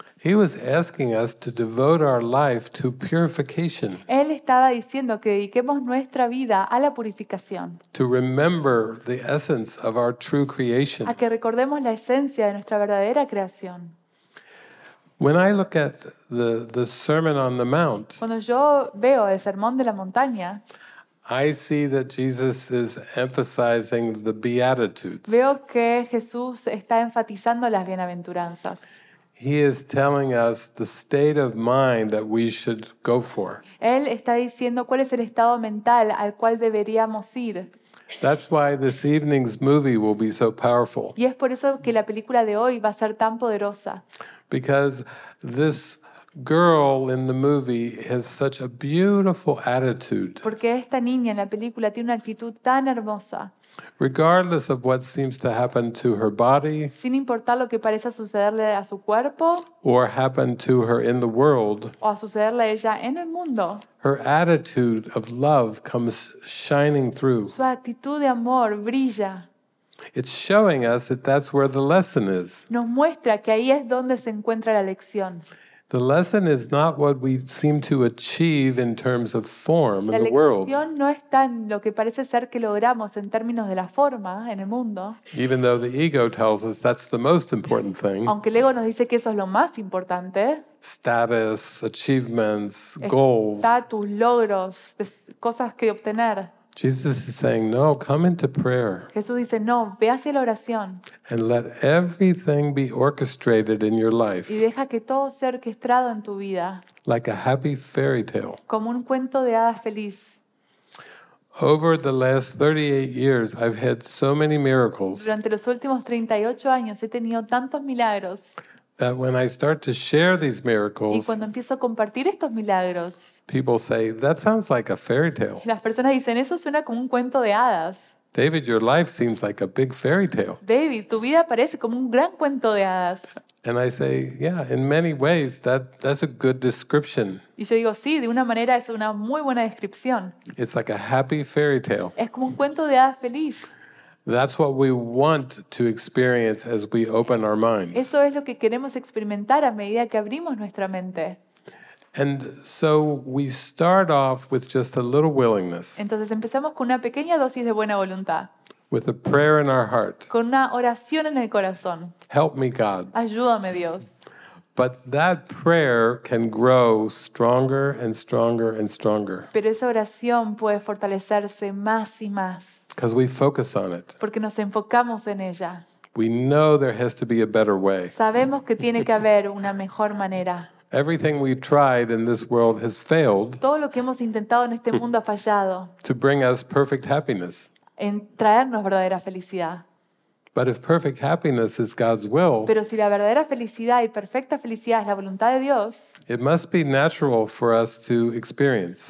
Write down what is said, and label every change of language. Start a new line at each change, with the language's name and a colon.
English: He was asking us to devote our life to purification.
Spanish: Él estaba diciendo que dediquemos nuestra vida a la purificación.
English: To remember the essence of our true creation.
Spanish: A que recordemos la esencia de nuestra verdadera creación.
English: When I look at the Sermon on the Mount,
Spanish: cuando yo veo el Sermón de la Montaña,
English: I see that Jesus is emphasizing the Beatitudes.
Spanish: Veo que Jesús está enfatizando las bienaventuranzas.
English: He is telling us the state of mind that we should go for.
Spanish: Él está diciendo cuál es el estado mental al cual deberíamos ir.
English: That's why this evening's movie will be so powerful.
Spanish: Y es por eso que la película de hoy va a ser tan poderosa.
English: Because this girl in the movie has such a beautiful attitude.
Spanish: Porque esta niña en la película tiene una actitud tan hermosa.
English: Regardless of what seems to happen to her body,
Spanish: sin importar lo que parezca sucederle a su cuerpo,
English: or happen to her in the world,
Spanish: o a sucederle a ella en el mundo,
English: her attitude of love comes shining through.
Spanish: Su actitud de amor brilla.
English: It's showing us that that's where the lesson is.
Spanish: Nos muestra que ahí es donde se encuentra la lección.
English: The lesson is not what we seem to achieve in terms of form in the world.
Spanish: La lección no está en lo que parece ser que logramos en términos de la forma en el mundo.
English: Even though the ego tells us that's the most important thing.
Spanish: Aunque el ego nos dice que eso es lo más importante.
English: Status, achievements, goals.
Spanish: Estatus, logros, cosas que obtener.
English: Jesus is saying, "No, come into prayer."
Spanish: Jesús dice, "No, ve hacia la oración."
English: And let everything be orchestrated in your life.
Spanish: Y deja que todo sea orquestado en tu vida.
English: Like a happy fairy tale.
Spanish: Como un cuento de hadas feliz.
English: Over the last 38 years, I've had so many miracles.
Spanish: Durante los últimos 38 años he tenido tantos milagros.
English: That when I start to share these miracles,
Spanish: y cuando empiezo a compartir estos milagros,
English: people say, "That sounds like a fairy tale."
Spanish: Las personas dicen, "Eso suena como un cuento de hadas."
English: David, your life seems like a big fairy tale.
Spanish: David, tu vida parece como un gran cuento de hadas.
English: And I say, yeah, in many ways that's a good description.
Spanish: Y yo digo, sí, de una manera es una muy buena descripción.
English: It's like a happy fairy tale.
Spanish: Es como un cuento de hadas feliz.
English: That's what we want to experience as we open our minds.
Spanish: Eso es lo que queremos experimentar a medida que abrimos nuestra mente.
English: And so we start off with just a little willingness.
Spanish: Entonces empezamos con una pequeña dosis de buena voluntad.
English: With a prayer in our heart.
Spanish: Con una oración en el corazón.
English: Help me, God.
Spanish: Ayúdame, Dios.
English: But that prayer can grow stronger and stronger and stronger.
Spanish: Pero esa oración puede fortalecerse más y más.
English: Because we focus on it.
Spanish: Porque nos enfocamos en ella.
English: We know there has to be a better way.
Spanish: Sabemos que tiene que haber una mejor manera.
English: Everything we tried in this world has failed.
Spanish: Todo lo que hemos intentado en este mundo ha fallado.
English: To bring us perfect happiness.
Spanish: En traernos verdadera felicidad.
English: But if perfect happiness is God's will.
Spanish: Pero si la verdadera felicidad y perfecta felicidad es la voluntad de Dios.
English: It must be natural for us to experience.